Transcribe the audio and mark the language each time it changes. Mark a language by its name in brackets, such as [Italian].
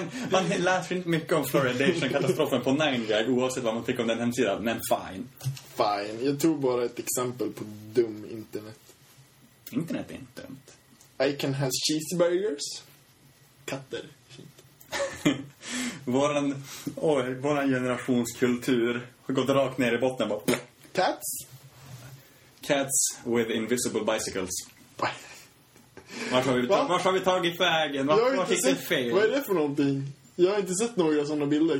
[Swedish] man läser inte mycket om fluoridation-katastrofen på nine gag, oavsett vad man tycker om den hemsidan, men fine. Fine. Jag tog bara ett exempel på dum internet. Internet är inte dumt. [English] I can have cheeseburgers. [Swedish] Katter. Fint. Våran generationskultur har gått rakt ner i botten. Bara... [English] Cats? Cats with invisible bicycles. [Swedish] Vart har vi tagit vägen? Vart har vi sett fel? Vad är det för någonting? Jag har inte sett några sådana bilder.